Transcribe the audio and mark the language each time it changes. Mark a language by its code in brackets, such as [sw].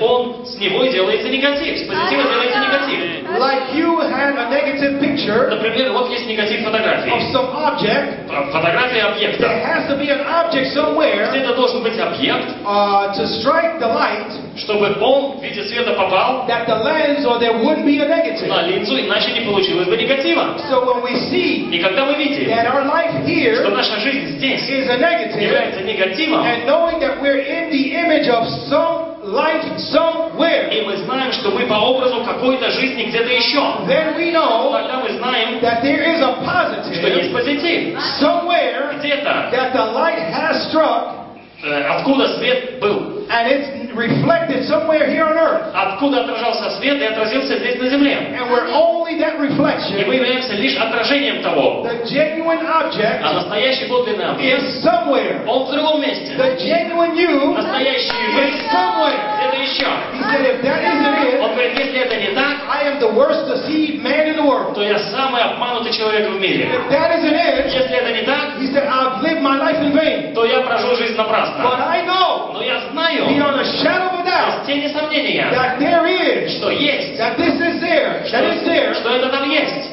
[ru] Он с него делается негатив. С позитива делается негатив. [en] Like you have a negative picture. [ru] Например, вот есть негатив фотографии. [en] Of some object. [ru] Фотография объекта. [en] There has to be an object somewhere. [ru] Где-то должен быть объект. [en] To strike the light. [ru] Чтобы он в виде света попал. [en] That the lens or there wouldn't be a negative. [ru] На линзу иначе не получилось бы негатива. [en] So when we see. [ru] И когда мы видим, [en] that our life here [ru] что наша жизнь здесь [en] is a negative, [ru] является негативом, [en] and knowing that we're in the image of some life somewhere, [ru] и мы знаем, что мы по образу какой-то жизни где-то еще, [en] then we know [ru] тогда мы знаем, [en] that there is a positive, [ru] что есть позитив [en] somewhere [ru] где-то, [en] that the light has struck, [ru] откуда свет был. [en] And it's reflected somewhere here on earth. [ru] Откуда отражался свет и отразился здесь на земле. [en] And we're only that reflection. [ru] И мы являемся лишь отражением того. [en] The genuine object. [ru] А настоящий подлинный объект. [en] Is somewhere. [ru] Он в другом месте. [en] The genuine you. [ru] Настоящий вы. [en] Is somewhere. [ru] Где-то еще. [en] He said, if that isn't it. [ru] Он говорит, если это не так. [en] I am the worst deceived man in the world. [ru] То я самый обманутый человек в мире. [en] If that isn't it. [ru] Если это не так. [en] He said, I've lived my life in vain. [ru] То я прожил жизнь напрасно. [en] But I know. [ru] Но я знаю. [en] Beyond a shadow of a doubt, [ru] тени сомнения, [en] that there is, [ru] что есть, [en] that this is there, that is there, [ru] что это там есть.